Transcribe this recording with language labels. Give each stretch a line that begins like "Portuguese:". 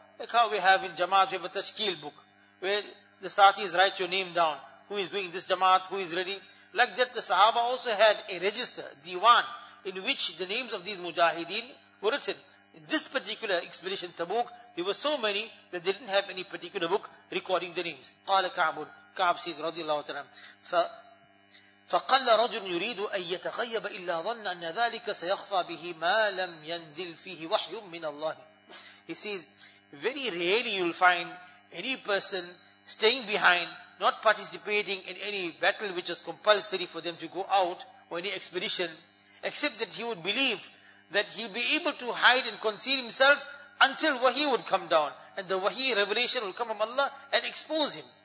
English: Like how we have in Jamaat, we have a Tashkil book, where the Saatis write your name down. Who is going this Jamaat? Who is ready? Like that, the Sahaba also had a register, Diwan, in which the names of these Mujahideen were written. In this particular expedition, Tabuk, there were so many that they didn't have any particular book recording the names.
Arabic: قال كعبٌ.
English: Ka'ab says,
Arabic: radiallahu ta'ala, فَقَلَّ رَجُلٌ يُرِيدُ أَن يَتَخَيَّبَ إِلَّا ظَنَّ أَنَّ ذَلِكَ سَيَخْفَى بِهِ مَا لَمْ يَنزِلْ فِيهِ وَحْيٌ مِّنَ اللَّهِ.
English: He says, very rarely you'll find any person staying behind, not participating in any battle which is compulsory for them to go out, or any expedition, except that he would believe that he'll be able to hide and conceal himself until wahi would come down, and the wahi revelation will come from Allah and expose him.